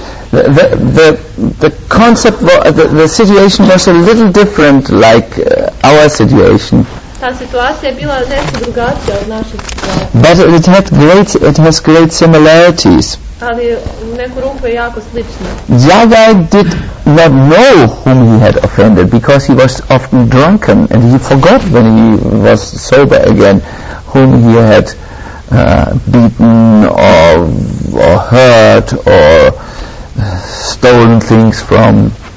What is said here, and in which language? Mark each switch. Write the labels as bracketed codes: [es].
[en] The concept, the situation was a little different, like our situation. [bs] Ta situacija je bila nešto drugačija od naše situacije. [en] But it has great similarities. [bs] Ali neku ruku je jako slično. [en] Jagai did not know whom he had offended because he was often drunken and he forgot when he was sober again whom he had beaten or hurt or stolen things from.